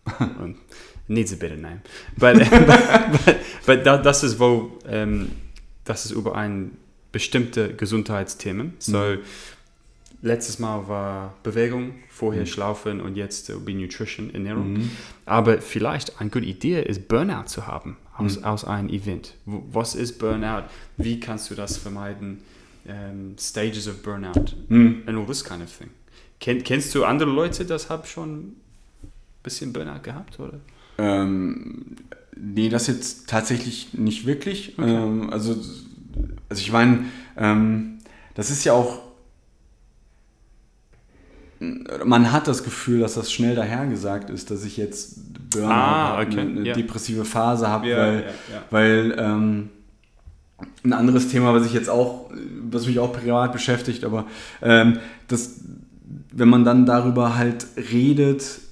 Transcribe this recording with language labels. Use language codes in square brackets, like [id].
[de] Und [en] needs a better name. But [de] das ist wohl, das ist über ein bestimmte Gesundheitsthemen. So, letztes Mal war Bewegung, vorher Schlafen und jetzt be Nutrition, Ernährung. Mhm. Aber vielleicht eine gute Idee ist, Burnout zu haben aus einem Event. Was ist Burnout? Wie kannst du das vermeiden? [en] Stages of Burnout and all this kind of thing. [de] Kennst du andere Leute, das haben schon ein bisschen Burnout gehabt? Oder? Nee, das jetzt tatsächlich nicht wirklich. Okay. Also ich meine, das ist ja auch, man hat das Gefühl, dass das schnell dahergesagt ist, dass ich jetzt depressive Phase habe, weil ein anderes Thema, was mich auch privat beschäftigt, aber das, wenn man dann darüber halt redet,